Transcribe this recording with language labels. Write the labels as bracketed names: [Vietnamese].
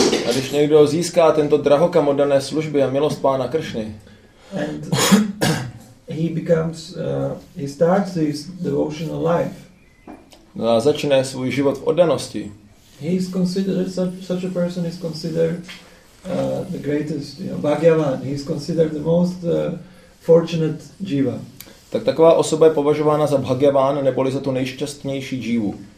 [Czech] A když někdo získá tento drahokam oddané služby a milost Pána Kršny. [English] And he becomes he starts his devotional life. [Czech] A začne svůj život v oddanosti. [English] He is considered such a person is considered the greatest, you know, Bhagyavan. He is considered the most fortunate jiva. [Czech] Tak taková osoba je považována za Bhagyavan, neboli za tu nejšťastnější jivu.